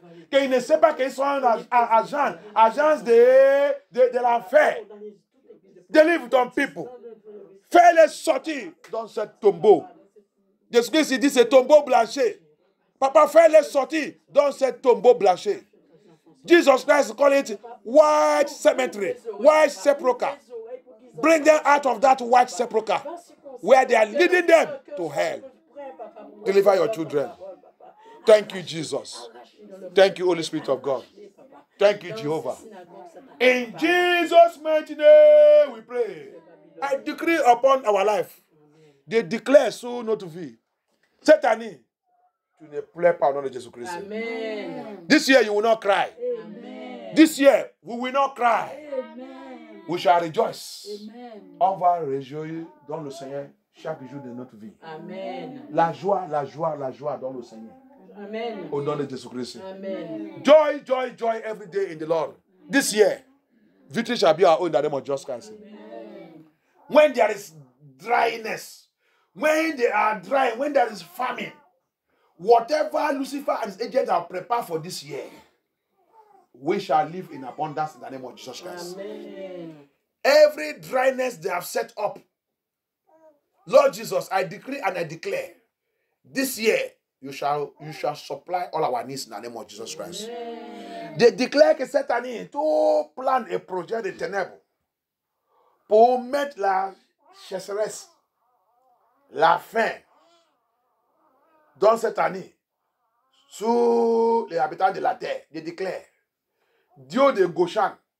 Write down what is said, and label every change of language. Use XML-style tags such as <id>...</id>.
<fr>Qu'ils ne savent pas qu'ils sont agents. Agents de l'enfer.</fr> <en>Deliver</en> <fr>ton</fr> <en>people.</en> <fr>Fais-les sortir dans ce tombeau. Jésus Christ dit c'est tombeau blanché. Papa, fais-les sortir dans ce tombeau blanché.</fr> <en>Jesus Christ call it white cemetery, white sepulchre. Bring them out of that white sepulchre where they are leading them to hell. Deliver your children. Thank you, Jesus. Thank you, Holy Spirit of God. Thank you, Jehovah. In Jesus' mighty name, we pray. I decree upon our life, they declare so not we.</en> <fr>Cette année, tu ne pleures pas au nom de Jésus Christ. Amen.</fr> <en>This year, you will not cry. Amen. This year, we will not cry. Amen. We shall rejoice. Amen.</en> <fr>On va réjouir dans le Seigneur chaque jour de notre vie. Amen. La joie, la joie, la joie dans le Seigneur. Amen. Au nom de Jésus Christ. Amen.</fr> <en>Joy, joy, joy every day in the Lord. This year, victory shall be our own in the name of Jesus Christ. Amen. When there is dryness, when they are dry, when there is famine, whatever Lucifer and his agents have prepared for this year, we shall live in abundance in the name of Jesus Christ. Amen. Every dryness they have set up, Lord Jesus, I decree and I declare, this year you shall supply all our needs in the name of Jesus Christ. Amen. They declare</en> <fr>que cette année, tout plan et projet de ténèbres pour mettre la chasseresse, la fin dans cette année, sous les habitants de la terre, je déclare, Dieu de Goshen,</fr>